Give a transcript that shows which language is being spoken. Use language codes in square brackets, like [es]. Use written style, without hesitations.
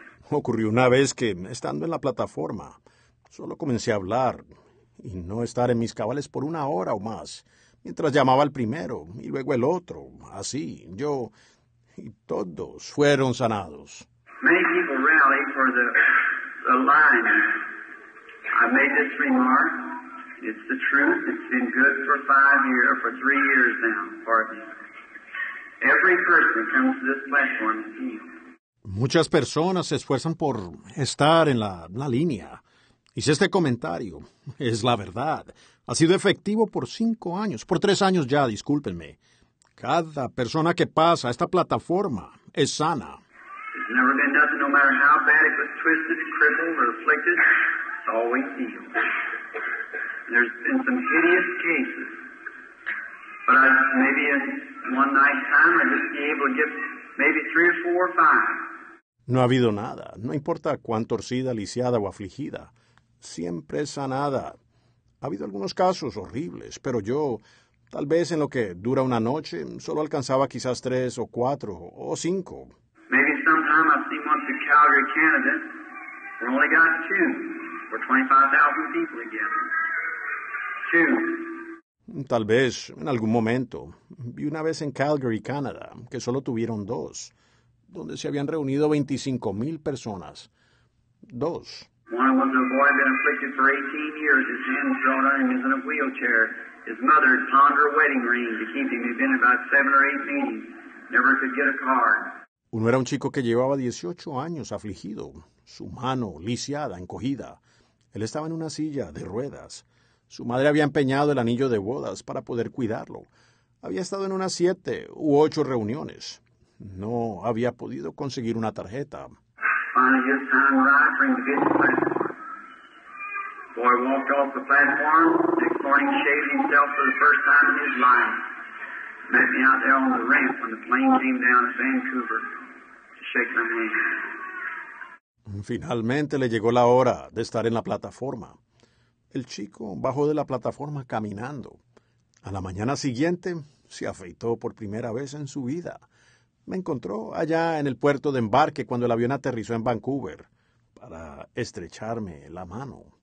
[es] Ocurrió una vez que, estando en la plataforma, solo comencé a hablar y no estar en mis cabales por una hora o más, mientras llamaba al primero y luego el otro, así, yo, y todos fueron sanados. [en] Many people rally for the line. I made this remark. It's the truth. It's been good for 5 years, for 3 years now. Pardon. Every person comes to this platform and heals. [es] Muchas personas se esfuerzan por estar en la línea. Hice este comentario. Es la verdad. Ha sido efectivo por 5 años. Por 3 años ya, discúlpenme. Cada persona que pasa a esta plataforma es sana. [en] There's never been nothing, no matter how bad it was twisted, crippled, or afflicted. It's always healed. There's been some hideous cases. But maybe in one night time, I just be able to get maybe 3 or 4 or 5. [es] No ha habido nada, no importa cuán torcida, lisiada o afligida. Siempre es sanada. Ha habido algunos casos horribles, pero yo, tal vez en lo que dura una noche, solo alcanzaba quizás 3 o 4 o 5. [en] Maybe sometime I've seen once in Calgary, Canada, we only got 2, or 25,000 people together. 2. [es] Tal vez, en algún momento, vi una vez en Calgary, Canadá, que solo tuvieron 2. Donde se habían reunido 25,000 personas. 2. [en] One was a boy been afflicted for 18 years. His hands drawn on him. He's in a wheelchair. His mother had pawned her wedding ring to keep him. He'd been about 7 or 8 meetings. Never could get a car. [es] Uno era un chico que llevaba 18 años afligido. Su mano lisiada, encogida. Él estaba en una silla de ruedas. Su madre había empeñado el anillo de bodas para poder cuidarlo. Había estado en unas 7 u 8 reuniones. No había podido conseguir una tarjeta. [en] Finally, his time arrived for him to get the platform. Boy walked off the platform. Next morning, shaved himself for the first time in his life. Met me out there on the ramp when the plane came down to Vancouver to shake my hand. [es] Finalmente, le llegó la hora de estar en la plataforma. El chico bajó de la plataforma caminando. A la mañana siguiente, se afeitó por primera vez en su vida. Me encontró allá en el puerto de embarque cuando el avión aterrizó en Vancouver para estrecharme la mano.